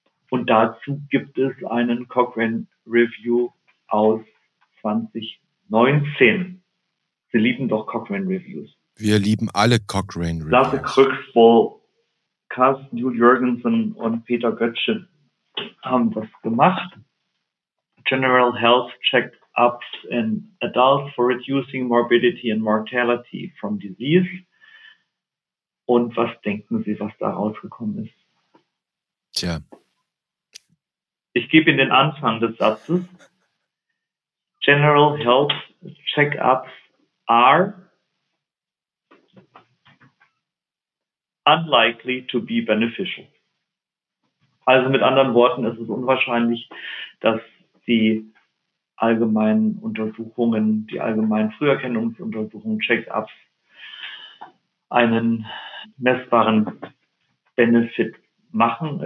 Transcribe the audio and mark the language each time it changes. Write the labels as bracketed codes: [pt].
[de] Und dazu gibt es einen Cochrane Review aus 2019. Sie lieben doch Cochrane Reviews. Wir lieben alle Cochrane Reviews. Lasse Krüxbohl, Carsten Juul Jürgensen und Peter Götzschen haben das gemacht. [en] General Health Check-ups in Adults for Reducing Morbidity and Mortality from Disease. [de] Und was denken Sie, was da rausgekommen ist? Tja. Ich gebe Ihnen den Anfang des Satzes. [en] General Health Checkups are unlikely to be beneficial. [de] Also mit anderen Worten, es ist unwahrscheinlich, dass die allgemeinen Untersuchungen, die allgemeinen Früherkennungsuntersuchungen, Checkups einen messbaren Benefit machen.